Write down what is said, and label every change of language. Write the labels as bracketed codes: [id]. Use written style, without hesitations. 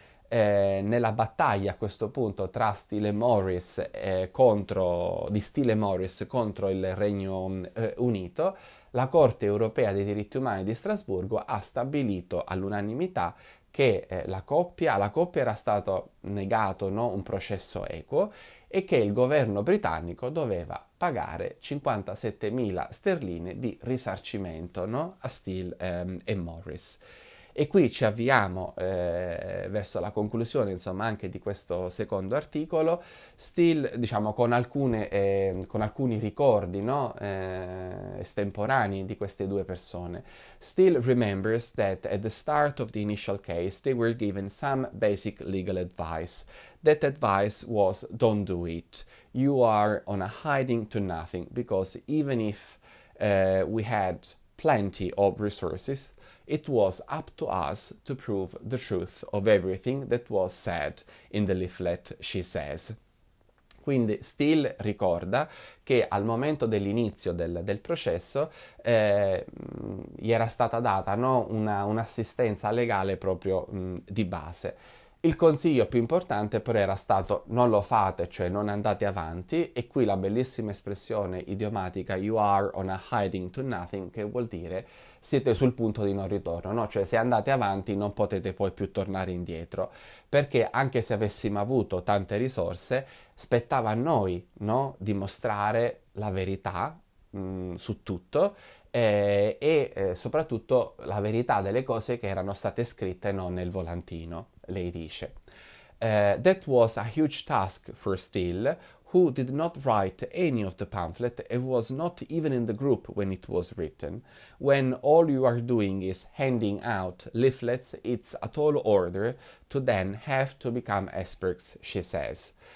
[it] Nella battaglia a questo punto tra Steele Morris di Steele Morris contro il Regno Unito, la Corte Europea dei diritti umani di Strasburgo ha stabilito all'unanimità che alla coppia era stato negato, no, un processo equo e che il governo britannico doveva pagare 57.000 sterline di risarcimento, no, a Steele e Morris. E qui ci avviamo verso la conclusione, insomma, anche di questo secondo articolo. Steele, diciamo, con alcuni ricordi, no, estemporanei di queste due persone. [en] Steele remembers that at the start of the initial case they were given some basic legal advice. That advice was don't do it. You are on a hiding to nothing, because even if we had plenty of resources, it was up to us to prove the truth of everything that was said in the leaflet, she says. [it] Quindi Steele ricorda che al momento dell'inizio del processo gli era stata data, no, un'assistenza legale proprio di base. Il consiglio più importante però era stato non lo fate, cioè non andate avanti, e qui la bellissima espressione idiomatica [en] you are on a hiding to nothing, [it] che vuol dire siete sul punto di non ritorno, no? Cioè se andate avanti non potete poi più tornare indietro, perché anche se avessimo avuto tante risorse, spettava a noi, no, dimostrare la verità su tutto, soprattutto la verità delle cose che erano state scritte, no, nel volantino, lei dice. [en] That was a huge task for Steele, who did not write any of the pamphlet and was not even in the group when it was written. When all you are doing is handing out leaflets, it's a tall order to then have to become experts, she says.